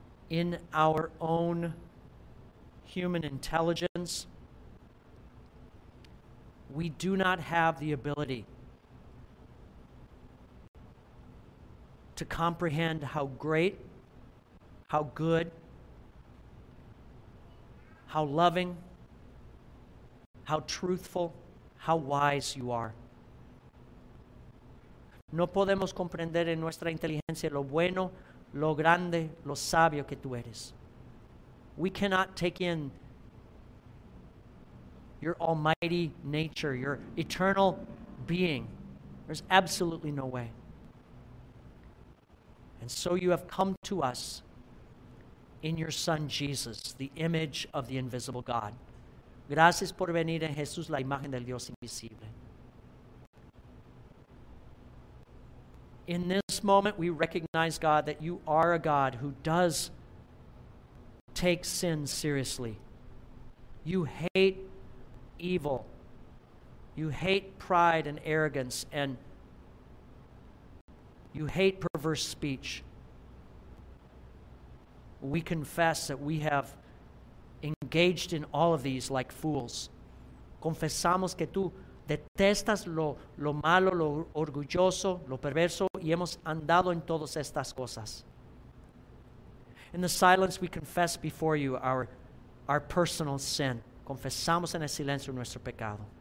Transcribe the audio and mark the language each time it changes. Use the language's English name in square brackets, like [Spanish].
[English] In our own human intelligence, we do not have the ability to comprehend how great, how good, how loving, how truthful, how wise you are. [Spanish] No podemos comprender en nuestra inteligencia lo bueno, lo grande, lo sabio que tú eres. [English] We cannot take in your almighty nature, your eternal being. There's absolutely no way. And so you have come to us in your Son Jesus, the image of the invisible God. [Spanish] Gracias por venir en Jesús, la imagen del Dios invisible. [English] In this moment, we recognize, God, that you are a God who does take sin seriously. You hate evil. You hate pride and arrogance, and you hate perverse speech. We confess that we have engaged in all of these like fools. [Spanish] Confesamos que tú detestas lo malo, lo orgulloso, lo perverso, y hemos andado en todas estas cosas. [English] In the silence, we confess before you our personal sin. [Spanish] Confesamos en el silencio nuestro pecado.